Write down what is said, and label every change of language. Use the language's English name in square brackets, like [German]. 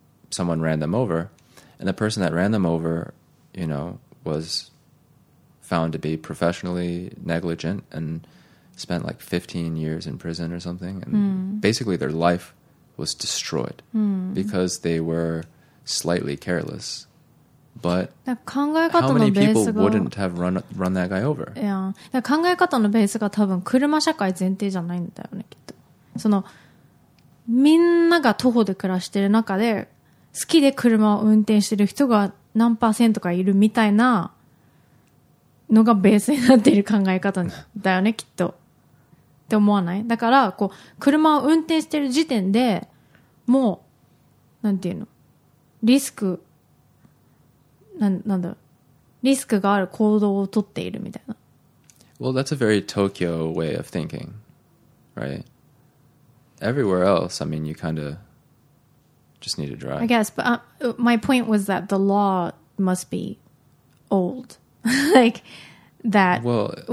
[English] Someone ran them over. And the person that ran them over, you know, was found to be professionally negligent and spent like 15 years in prison or something. And basically their life was destroyed because they were slightly carelessBut how many people wouldn't have run that guy over? Yeah. [Japanese] 考え方のベースが多分車社会前提じゃないんだよね、きっと。その、みんなが徒歩で暮らしてる中で、好きで車を運転してる人が何パーセントかいるみたいなのがベースになっている考え方だよね、きっと。って思わない? だから、こう、車を運転してる時点でもう、なんていうの? リスク、リスクがある行動を取っているみたいな。 [English] Well, that's a very Tokyo way of thinking, right? Everywhere else, I mean, you kind of just need to drive. I guess, but my point was that the law must be old. like, that well,